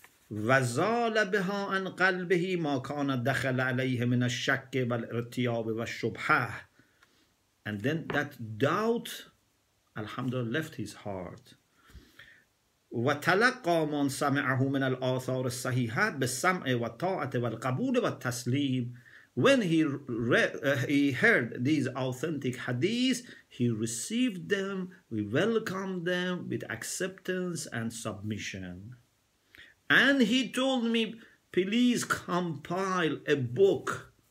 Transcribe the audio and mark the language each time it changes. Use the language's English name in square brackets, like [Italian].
[Arabic] وزال بها عن قلبه ما كان دخل عليه من الشك والارتياب والشبهه. [English] And then that doubt, alhamdulillah, left his heart. [Arabic] وتلقى من سمعه من الآثار الصحيحة بالسمع والطاعة والقبول والتسليم. [English] When he heard these authentic hadiths, he received them, we welcomed them with acceptance and submission. And he told me, please compile a book.